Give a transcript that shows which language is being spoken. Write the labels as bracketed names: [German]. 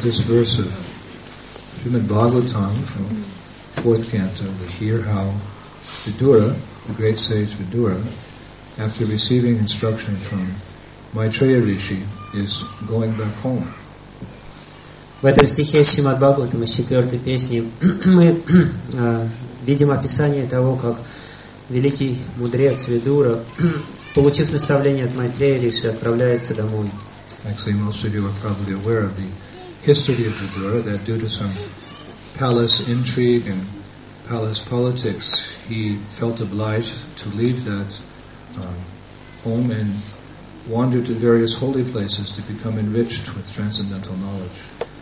[English] This verse of Srimad Bhagavatam from fourth canto, we hear how Vidura, the great sage Vidura, after receiving instruction from Maitreya Rishi, is going back home. [Russian] В этом стихе Шримад Бхагаватам из четвертой песни мы видим описание того, как великий мудрец Vidura, получив наставление от Maitreya Rishi, отправляется домой. [English] Actually, most of you are probably aware of the history of Vidura, that due to some palace intrigue and palace politics, he felt obliged to leave that home and wander to various holy places to become enriched with transcendental knowledge.